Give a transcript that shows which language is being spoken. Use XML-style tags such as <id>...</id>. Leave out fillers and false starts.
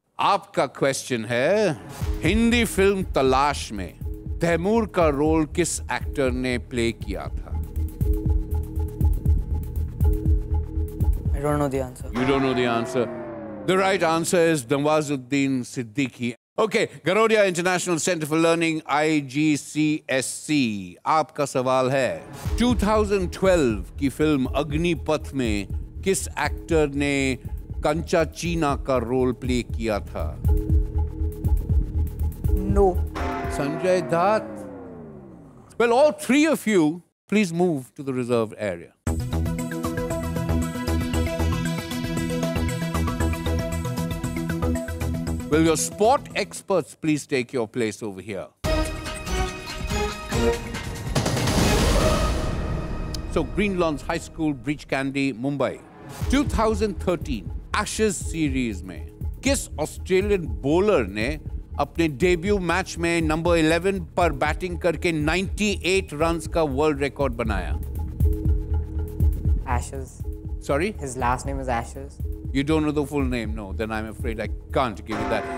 <hi>Aapka question hai, Hindi film Talash mein Taimur का role किस actor ने प्ले किया था?</hi> <en>I don't know the answer. You don't know the answer. The right answer is Nawazuddin Siddiqui. Okay, Garodia International Center for Learning, IGCSC.</en> <hi>आपका सवाल है 2012 की film Agnipath में किस एक्टर ने कंचा चीना का रोल प्ले किया था?</hi> <en>No. Sanjay Dutt. Well, all three of you, please move to the reserved area. Will your sport experts please take your place over here? So, Green Lawns High School, Breach Candy, Mumbai.</en> <hi>2013, Ashes series mein, kis Australian bowler ne अपने debut match में number 11 पर batting करके 98 runs का world record बनाया?</hi> <en>Ashes. Sorry? His last name is Ashes. You don't know the full name? No, then I'm afraid I can't give you that.</en>